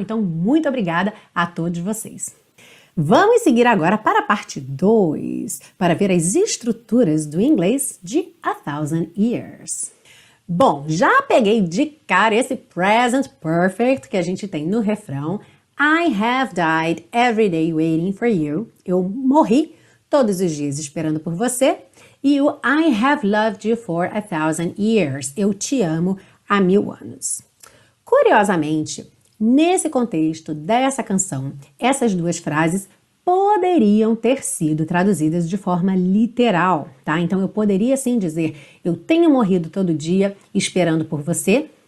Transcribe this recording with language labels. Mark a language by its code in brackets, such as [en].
[pt] Então, muito obrigada a todos vocês. Vamos seguir agora para a parte 2, para ver as estruturas do inglês de A Thousand Years. Bom, já peguei de cara esse present perfect que a gente tem no refrão. [en] I have died every day waiting for you. [pt] Eu morri todos os dias esperando por você. E o [en] I have loved you for a thousand years. [pt] Eu te amo há mil anos. Curiosamente, nesse contexto dessa canção, essas duas frases poderiam ter sido traduzidas de forma literal, tá? Então eu poderia sim dizer, eu tenho morrido todo dia esperando por você.